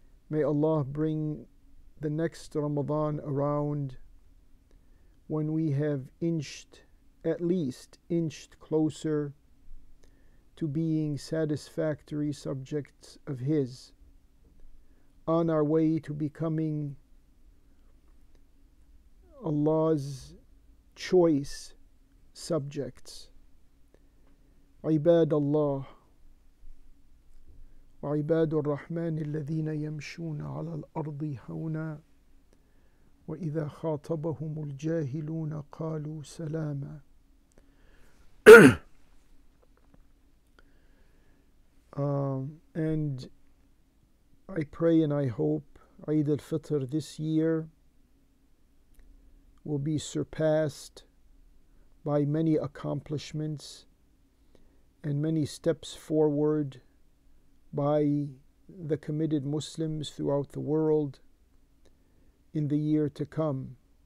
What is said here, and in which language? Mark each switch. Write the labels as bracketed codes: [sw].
[en] May Allah bring the next Ramadan around when we have at least inched closer to being satisfactory subjects of His, on our way to becoming Allah's choice subjects. [ar] عباد الله وعباد الرحمن الذين يمشون على الأرض هونا وإذا خاطبهم الجاهلون قالوا سلاما. [en] And I pray and I hope Eid al-Fitr this year will be surpassed by many accomplishments and many steps forward by the committed Muslims throughout the world in the year to come.